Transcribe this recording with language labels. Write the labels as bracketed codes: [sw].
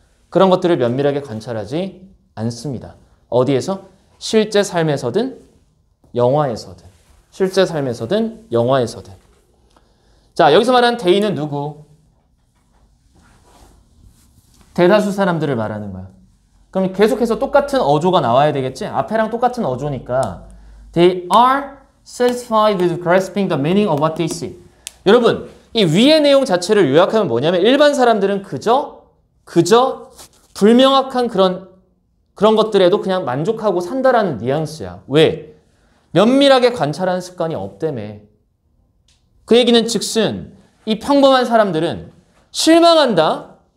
[ko] 그런 것들을 면밀하게 관찰하지 않습니다. 어디에서? 실제 삶에서든 영화에서든. 실제 삶에서든 영화에서든. 자, 여기서 말하는 they는 누구? 대다수 사람들을 말하는 거야. 그럼 계속해서 똑같은 어조가 나와야 되겠지? 앞에랑 똑같은 어조니까 [en] They are satisfied with grasping the meaning of what they see. [ko] 여러분, 이 위의 내용 자체를 요약하면 뭐냐면 일반 사람들은 그저 불명확한 그런 것들에도 그냥 만족하고 산다라는 뉘앙스야. 왜? 면밀하게 관찰하는 습관이 없다며. 그 얘기는 즉슨 이 평범한 사람들은 실망한다.